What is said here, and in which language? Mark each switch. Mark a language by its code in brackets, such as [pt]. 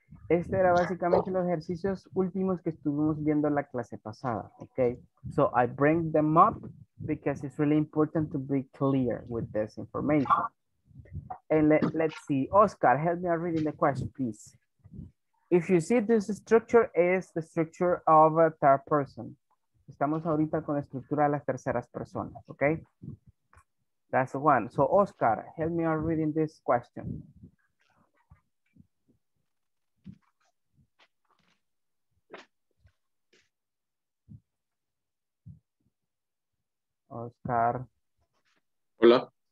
[es] Este era básicamente los ejercicios últimos que estuvimos viendo en la clase pasada. [en] Okay, so I bring them up because it's really important to be clear with this information. And let's see. Oscar, help me out reading the question, please. If you see, this structure is the structure of a third person. [es] Estamos ahorita con la estructura de las terceras personas, okay? [en] That's one. So Oscar, help me out reading this question. Oscar. [es] Hola.